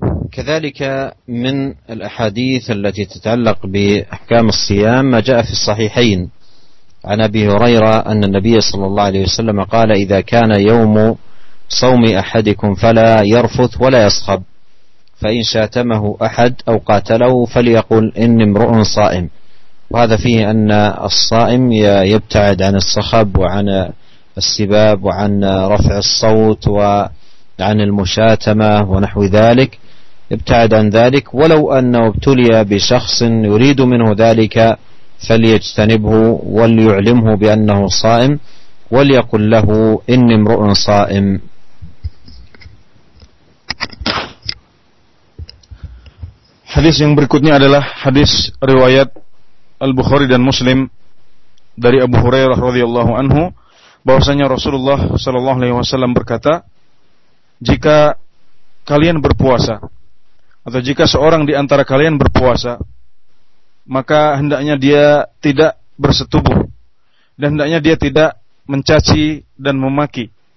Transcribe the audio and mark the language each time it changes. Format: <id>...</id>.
<ar>Kedzalika min al-ahadits allati tata'allaq bi ahkam as-siyam ma ja'a fi as-sahihain an Abi Hurairah anna an-nabiy sallallahu alaihi wasallam qala idza kana yawmu sawmi ahadikum fala yarfuth wa la yashab فإن شاتمه أحد أو قاتله فليقل إني امرؤ صائم. وهذا فيه أن الصائم يبتعد عن الصخب وعن السباب وعن رفع الصوت وعن المشاتمة ونحو ذلك، ابتعد عن ذلك، ولو أنه ابتلي بشخص يريد منه ذلك فليجتنبه وليعلمه بأنه صائم وليقل له إني امرؤ صائم.</ar> <id>Hadis yang berikutnya adalah hadis riwayat Al-Bukhari dan Muslim dari Abu Hurairah radhiyallahu anhu, bahwasanya Rasulullah sallallahu alaihi wasallam berkata, jika kalian berpuasa atau jika seorang di antara kalian berpuasa, maka hendaknya dia tidak bersetubuh dan hendaknya dia tidak mencaci dan memaki.</id>